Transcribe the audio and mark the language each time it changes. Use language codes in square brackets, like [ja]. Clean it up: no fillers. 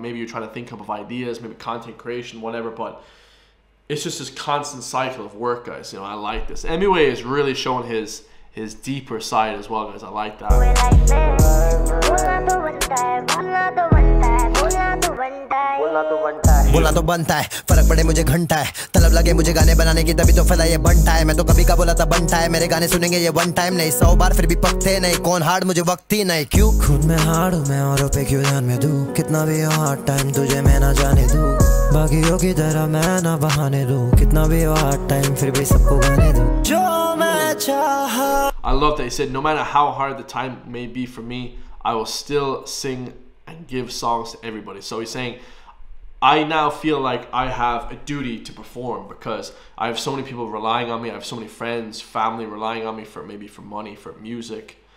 [en] Maybe you're trying to think up of ideas, maybe content creation, whatever, but it's just this constant cycle of work, guys. You know, I like this. Emiway is really showing his deeper side as well, guys. I like that. [hi] Bola बोला तो बनता है, फर्क पड़े मुझे घंटा है, तलब लगे मुझे गाने बनाने की तभी तो फला ये बनता है। मैं तो कभी का बोला था बनता है, मेरे गाने सुनेंगे ये वन टाइम नहीं, 100 बार फिर भी पकते नहीं, कौन हार्ड मुझे वक्त ही नहीं। क्यों खुद में हार्ड मैं और पे क्यों ध्यान में दूं, कितना भी हार्ड टाइम तुझे मैं ना जाने दूं, बाकियों की तरह मैं ना बहाने दूं, कितना भी हार्ड टाइम फिर भी सबको गाने दूं जो मैं चाहा। [en] I love that he said no matter how hard the time may be for me, I will still sing and give songs to everybody. So he's saying, I now feel like I have a duty to perform because I have so many people relying on me. I have so many friends, family relying on me for maybe for money, for music.